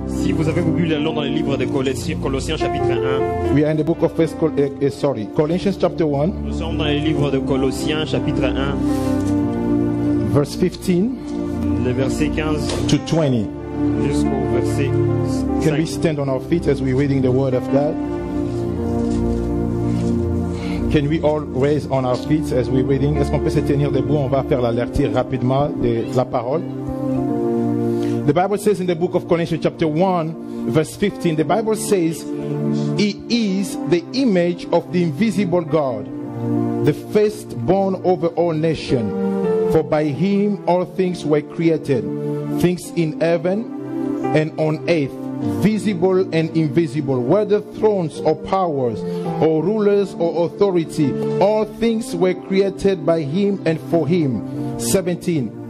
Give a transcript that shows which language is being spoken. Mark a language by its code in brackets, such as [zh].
[fr] Si vous avez voulu lire dans les livres de Colossiens chapitre 1. [en] We are in the book of First Colossians chapter 1. [fr] Nous sommes dans les livres de Colossiens chapitre 1. [en] Verse 15. [fr] Le verset 15 [en] to 20. [fr] Jusqu'au verset [en] 5. Can we stand on our feet as we're reading the word of God? Can we all raise on our feet as we're reading? [fr] Est-ce qu'on peut se tenir debout? On va faire l'alerte rapidement de la parole. [en] The Bible says in the book of Colossians chapter 1 verse 15, the Bible says he is the image of the invisible God, the firstborn over all nations, for by him all things were created, things in heaven and on earth, visible and invisible, whether thrones or powers or rulers or authority, all things were created by him and for him. 17.